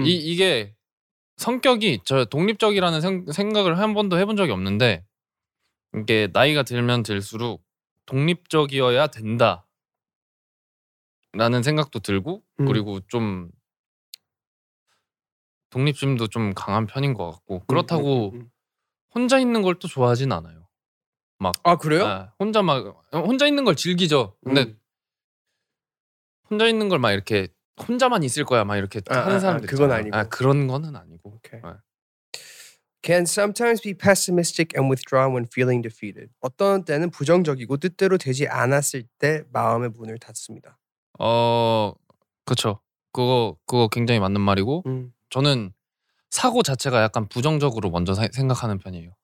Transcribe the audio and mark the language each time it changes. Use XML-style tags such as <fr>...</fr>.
<ko>이게 성격이 저 독립적이라는 생각을 한 번도 해본 적이 없는데 이게 나이가 들면 들수록 독립적이어야 된다 라는 생각도 들고 그리고 좀 독립심도 좀 강한 편인 것 같고 그렇다고 혼자 있는 걸 또 좋아하진 않아요. 막 아 그래요? 아, 혼자 있는 걸 즐기죠. 근데 혼자 있는 걸 막 이렇게 혼자만 있을 거야 막 이렇게 하는 사람들 그건 아니고 아, 그런 거는 아니고 오케이. 아.</ko> <en>Can sometimes be pessimistic and withdrawn when feeling defeated.</en> <ko>어떤 때는 부정적이고 뜻대로 되지 않았을 때 마음의 문을 닫습니다. 그렇죠. 그거 굉장히 맞는 말이고 저는 사고 자체가 약간 부정적으로 먼저 생각하는 편이에요.</ko>